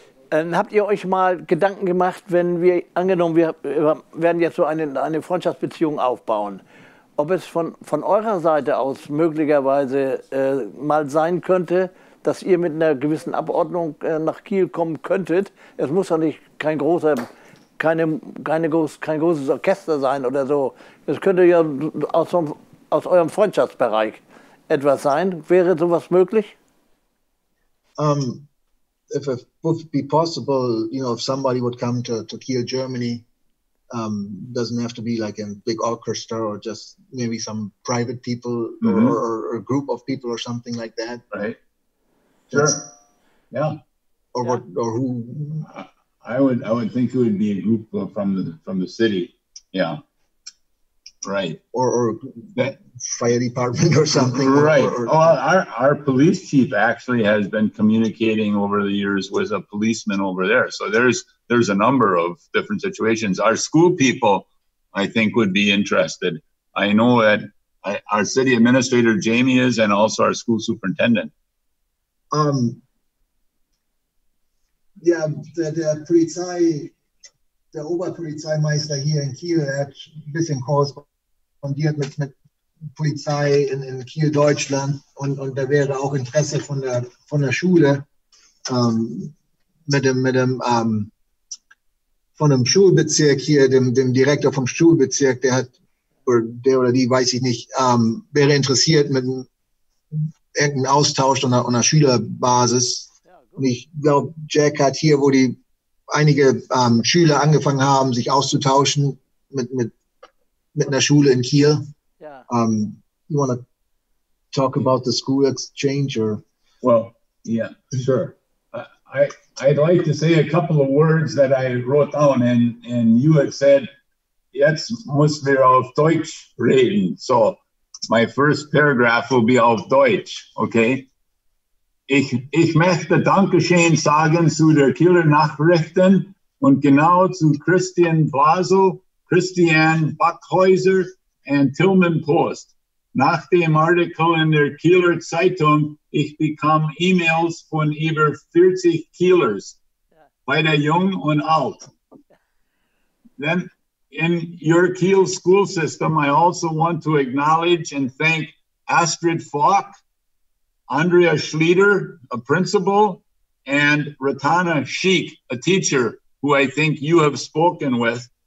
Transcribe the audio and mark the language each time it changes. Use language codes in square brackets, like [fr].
[de] Habt ihr euch mal Gedanken gemacht, wenn wir, angenommen, wir werden jetzt so eine Freundschaftsbeziehung aufbauen, ob es von eurer Seite aus möglicherweise mal sein könnte, dass ihr mit einer gewissen Abordnung nach Kiel kommen könntet? Es muss doch nicht kein großes Orchester sein oder so. Es könnte ja aus eurem Freundschaftsbereich etwas sein. Wäre sowas möglich? [en] If it would be possible, you know, if somebody would come to Kiel, Germany, doesn't have to be like a big orchestra or just maybe some private people or a group of people or something like that. Right. Sure. Yeah. Or who? I would think it would be a group from the city. Yeah. Right. Or fire department or something. Right. Our police chief actually has been communicating over the years with a policeman over there. So there's a number of different situations. Our school people, I think, would be interested. I know that our city administrator, Jamie, is, and also our school superintendent. Yeah, [de] der Polizei, der Oberpolizeimeister hier in Kiel, er hat ein bisschen korrespondiert mit Polizei in Kiel, Deutschland, und da wäre auch Interesse von der Schule mit dem von einem Schulbezirk hier, dem Direktor vom Schulbezirk, der hat, der oder die, weiß ich nicht, wäre interessiert mit irgendeinem Austausch an einer Schülerbasis. Und ich glaube, Jack hat hier, wo die einige Schüler angefangen haben, sich auszutauschen mit einer Schule in Kiel. [en] Yeah. You want to talk about the school exchange or? Well, yeah, sure. I'd like to say a couple of words that I wrote down, and you had said, [de] jetzt muss wir auf Deutsch reden. [en] So my first paragraph will be [de] auf Deutsch, [en] okay? [de] Ich möchte Dankeschön sagen zu der Kieler Nachrichten und genau zu Christian Blasel, Christian Backhäuser und Tillman Post. Nach dem Artikel in der Kieler Zeitung, ich bekam E-Mails von über 40 Kielers, beide jung und alt. [en] Then in your Kiel school system, I also want to acknowledge and thank Astrid Falk, Andrea Schlieder, a principal, and Ratana Sheik, a teacher, who I think you have spoken with.